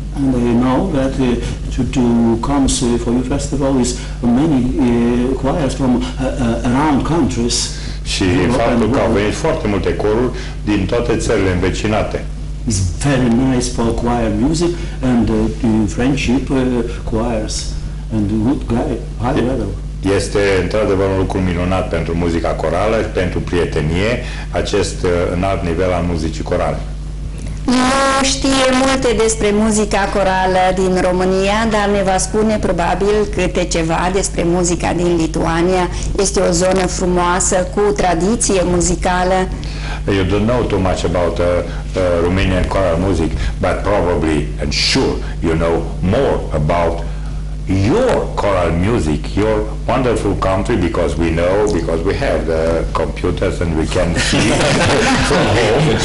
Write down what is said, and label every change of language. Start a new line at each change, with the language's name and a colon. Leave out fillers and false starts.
English: And you know that to come for your festival is many choirs from around countries.
Romanian: Și faptul că au venit foarte multe coruri din toate țările învecinate.
English: It's very nice for choir music and friendship choirs and good guy, high level.
Romanian: Este într-adevăr un lucru minunat pentru muzica corală, pentru prietenie, acest înalt nivel al muzicii corale. Nu știe multe despre muzica corală din România, dar ne va spune probabil câte ceva despre muzica din Lituania. Este o zonă frumoasă cu tradiție muzicală.
English: You don't know too much about Romanian choral music, but probably and sure you know more about your choral music, your wonderful country, because we know, because we have the computers and we can see from home.